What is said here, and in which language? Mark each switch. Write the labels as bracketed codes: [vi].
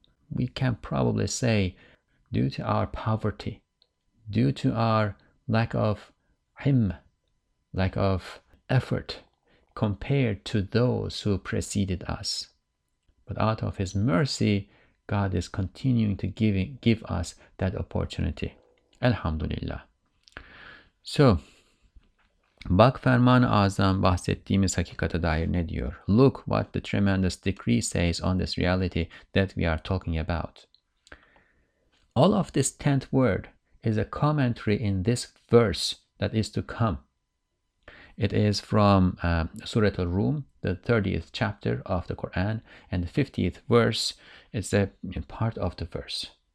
[en] We can probably say, due to our poverty, due to our lack of lack of effort compared to those who preceded us. But out of his mercy, God is continuing to give us that opportunity. [tr] Elhamdülillah. So, bak ferman-ı azam bahsettiğimiz hakikate dair ne diyor? [en] Look what the tremendous decree says on this reality that we are talking about. All of this 10th word is a commentary in this verse that is to come. It is from Surah Al-Rum, the 30th chapter of the Quran, and the 50th verse is a part of the verse.